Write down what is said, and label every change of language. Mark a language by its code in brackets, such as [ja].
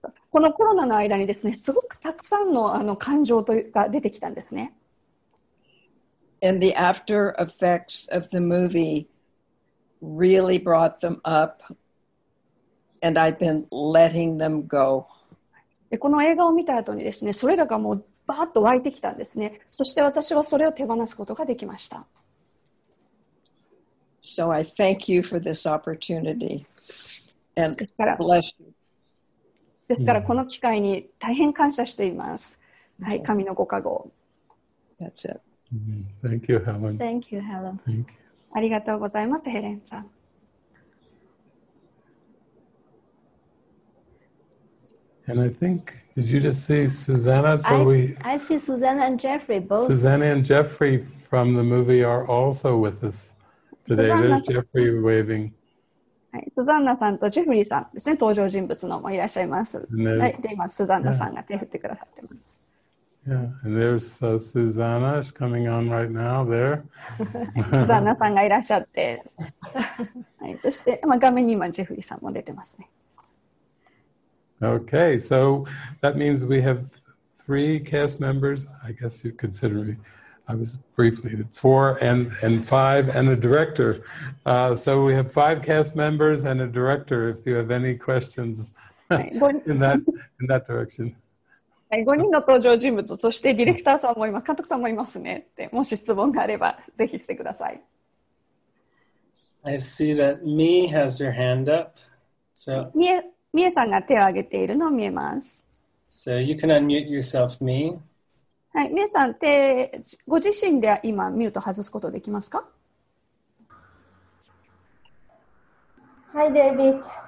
[ja] このコロナの間にですねすごくたくさん の, あの感情というが出てきたんですね。 [en] And the after effects of the movie really brought them up, and I've been letting them go. [ja] でこの映画を見た後にですねそれらがもうバーッと湧いてきたんですね。そして私はそれを手放すことができました。 [en] So I thank you for this opportunity and bless you. [ja] ですからこの機会に大変感謝しています。はい、神のご加護。 [en] That's it. Thank you, Helen. Thank you, Helen. Thank you. [ja] ありがとうございます、ヘレンさん。 [en] And I think, did you just see Susanna? So we, I see Susanna and Jeffrey both. Susanna and Jeffrey from the movie are also with us. Today, there's Jeffrey waving. [ja] はい、スザンナさんとジェフリーさんですね、登場人物のもいらっしゃいます。はい、で今、スザンナさんが手振ってくださってます。 [en] Yeah, and there's Susanna is coming on right now there. [ja] スザンナさんがいらっしゃって。はい、そして、まあ、画面に今、ジェフリーさんも出てますね。 [en] Okay, so that means we have three cast members, I guess you'd consider me. I was briefly at four and five and a director. So we have five cast members and a director. If you have any questions in that direction. [ja] 5人の登場人物、そしてディレクターさんも今、監督さんもいますねって、もし質問があれば、ぜひしてください。 [en] I see that Mie has her hand up. So, [ja] Mie さんが手を挙げているのを見えます。 [en] So you can unmute yourself, Mie. [ja] はい、皆さん、ご自身で今ミュート外すことできますか？ [en] Hi, David.